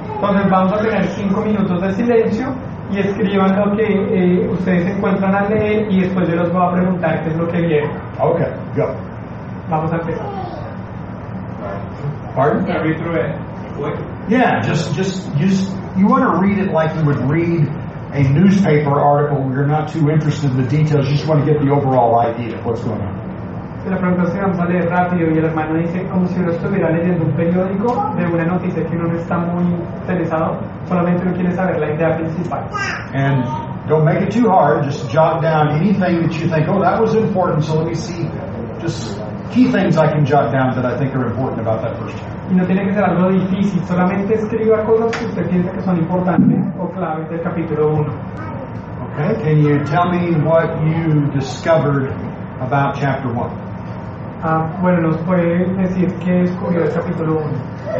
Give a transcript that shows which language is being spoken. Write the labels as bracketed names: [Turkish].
[Spanish] Entonces vamos a tener 5 minutos de silencio y escriban lo que ustedes encuentran al leer y después yo les voy a preguntar qué es lo que vieron. [English] Okay, go. [Spanish] Vamos a empezar. [English] Pardon? Yeah, read through it. Yeah, just you want to read it like you would read a newspaper article. You're not too interested in the details. You just want to get the overall idea of what's going on. [Spanish] Si la pregunta se vamos a leer rápido y el hermano dice como si uno estuviera leyendo un periódico de una noticia que uno no está muy interesado, solamente uno quiere saber la idea principal. [English] And don't make it too hard. Just jot down anything that you think, oh, that was important, so let me see. Just key things I can jot down that I think are important about that first chapter. [Spanish] Y no tiene que ser algo difícil, solamente escriba cosas que usted piensa que son importantes o claves del capítulo 1. [English] Okay, can you tell me what you discovered about chapter 1? [Spanish] Bueno, nos puede decir qué descubrió el capítulo 1.